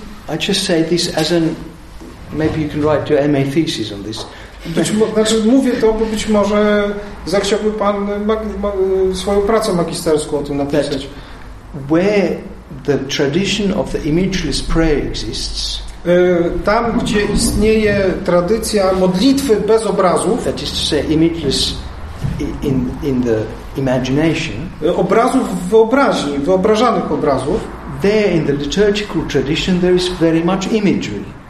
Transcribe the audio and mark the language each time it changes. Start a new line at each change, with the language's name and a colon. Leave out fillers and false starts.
English: I just say this as an, maybe you can write your MA thesis on this.
Polish: Znaczy mówię to, bo być może zechciałby pan swoją pracę magisterską o tym napisać.
English: Where the tradition of the imageless prayer exists.
Polish: Tam, gdzie istnieje tradycja modlitwy bez obrazów,
English: that is to say, images in the imagination,
Polish: obrazów w wyobraźni, wyobrażanych obrazów,
English: there in the liturgical tradition there is very much imagery.